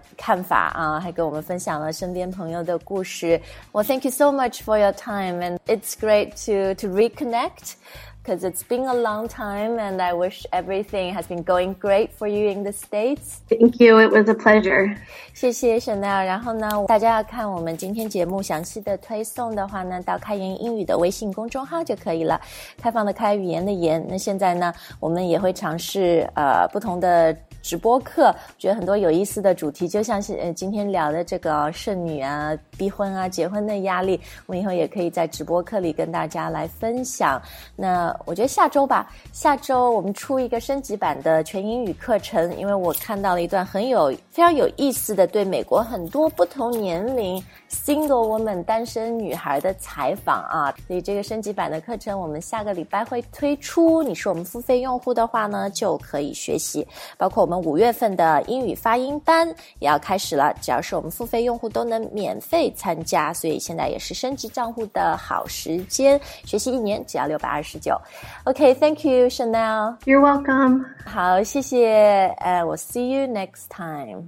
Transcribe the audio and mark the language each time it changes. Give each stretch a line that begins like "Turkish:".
Chinese: 好了，谢谢Chanel今天给我们带来的作为一个美国女生你自己的看法啊，还给我们分享了身边朋友的故事。
English: Well, thank you so much for your time, and it's great to reconnect because it's been a long time, and I wish everything has been going great for you in the States. Thank you, it was a pleasure.
Chinese: 谢谢Chanel, 然后呢，大家要看我们今天节目详细的推送的话呢, 到开言英语的微信公众号就可以了, 开放的开语言的言, 那现在呢, 我们也会尝试, 不同的 直播课, 觉得很多有意思的主题, 就像是今天聊的这个, 剩女啊, 逼婚啊, 结婚的压力, 我们以后也可以在直播课里跟大家来分享。那我觉得下周吧, 下周我们出一个升级版的全英语课程, 因为我看到了一段很有, 非常有意思的对美国很多不同年龄 single woman, 单身女孩的采访啊, 所以这个升级版的课程, 我们下个礼拜会推出, 你是我们付费用户的话呢, 就可以学习, 包括我们5月 份的英语发音班也要开始了，只要是我们付费用户都能免费参加，所以现在也是升级账户的好时间，学习一年只要629。
English: OK, thank you, Chanel. You're welcome.
Chinese: 好，谢谢，
English: we'll see you next time.